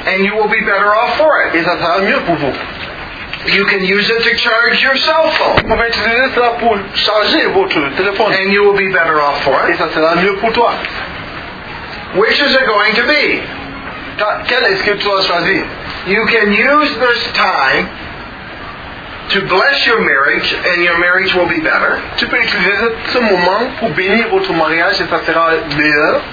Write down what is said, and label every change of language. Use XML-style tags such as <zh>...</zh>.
<en>And you will be better off for it.</en> <fr>Et ça sera mieux pour vous.</fr> <en>You can use it to charge your cell phone.</en> <fr>Vous pouvez utiliser ça pour charger votre téléphone.</fr> <en>And you will be better off for it.</en> <fr>Et ça sera mieux pour toi.</fr> <en>Which is it going to be?</en> <fr>Quel est-ce que tu as choisi?</fr> <en>You can use this time to bless your marriage, and your marriage will be better.</en> <fr>Tu peux utiliser ce moment pour bénir votre mariage et ça sera meilleur.</fr>